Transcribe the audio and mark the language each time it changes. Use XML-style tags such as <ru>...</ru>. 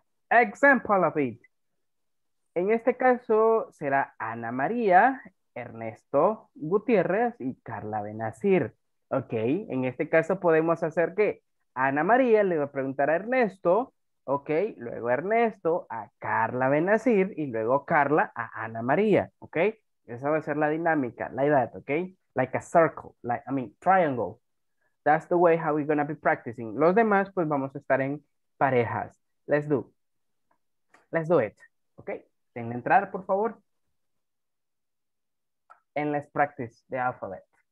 <en>Example of it.</en> <es>En este caso será Ana María, Ernesto Gutiérrez y Carla Benazir. Ok, en este caso podemos hacer que Ana María le va a preguntar a Ernesto, ok, luego Ernesto a Carla Benazir y luego Carla a Ana María, ok. Esa va a ser la dinámica,</es> <en>like that, ok. Like a circle, like, I mean, triangle. That's the way how we're going to be practicing.</en> <es>Los demás, pues vamos a estar en parejas.</es> <en>Let's do it, ok.</en> <es>Denle entrar, por favor.</es> <en>And let's practice the alphabet.</en>